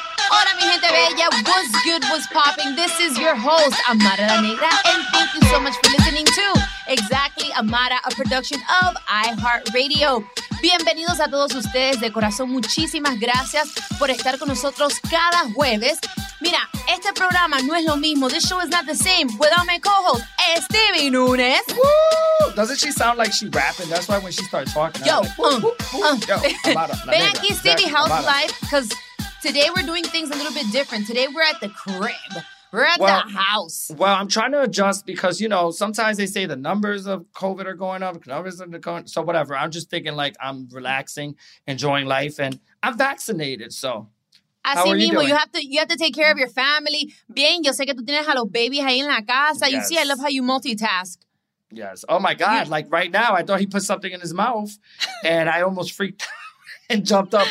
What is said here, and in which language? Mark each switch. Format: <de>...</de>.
<es>Hola, mi gente bella.</es> <en>What's good? What's popping? This is your host, Amara La Negra, and thank you so much for listening to Exactly Amara, a production of iHeartRadio.</en> <es>Bienvenidos a todos ustedes de corazón. Muchísimas gracias por estar con nosotros cada jueves. Mira, este programa no es lo mismo.</es> <en>This show is not the same without my co-host, Stevie Nunes. Woo! Doesn't she sound like she rapping? That's why when she starts talking, yo, I'm like,</en> <es>Ven aquí,</es> <en>Stevie, how's life? Because today we're doing things a little bit different. Today we're at the crib. We're at the house. Well, I'm trying to adjust because, you know, sometimes they say the numbers of COVID are going up. So whatever. I'm just thinking like I'm relaxing, enjoying life, and I'm vaccinated, so...</en> <es>Así mismo,</es> <en>you have to take care of your family.</en> <es>Bien, yo sé que tú tienes a los babies ahí en la casa.</es> <en>Yes. You see, I love how you multitask. Yes. Oh, my God. Yeah. Like, right now, I thought he put something in his mouth, and I almost freaked out and jumped up.</en>